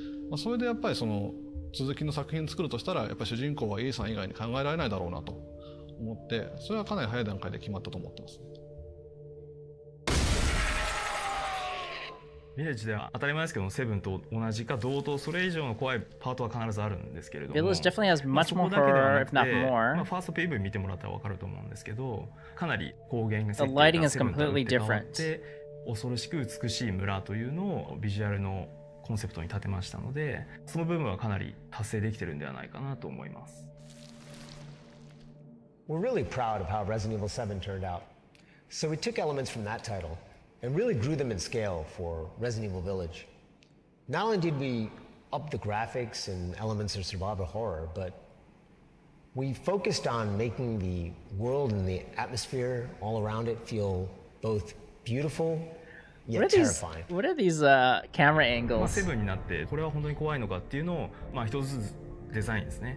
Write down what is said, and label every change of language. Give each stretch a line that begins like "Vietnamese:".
Japanese: まあ、それでやっぱりその続きの作品作るとしたらやっぱり主人公はイーサン以外に考えられないだろうなと思って、それはかなり早い段階で決まったと思ってます。 Village では当たり前ですけどセブンと同じか同等それ以上の怖いパートは必ずあるんですけれども、
English: Village definitely has much more horror if not more。
Japanese: まあファースト PV 見てもらったら分かると思うんですけど、かなり光源が設定がセブンと打って変わって恐ろしく美しい村というのをビジュアルのコンセプトに立てましたので、その部分はかなり達成できてるんではないかなと思います。
English: We're really proud of how Resident Evil 7 turned out. So we took elements from that title and really grew them in scale for Resident Evil Village. Not only did we up the graphics and elements of survival horror, but we focused on making the world and the atmosphere all around it feel both beautiful yet terrifying. What are these, camera angles?
Japanese: セブンになってこれは本当に怖いのかっていうのを、まあ、一つずつデザインですね。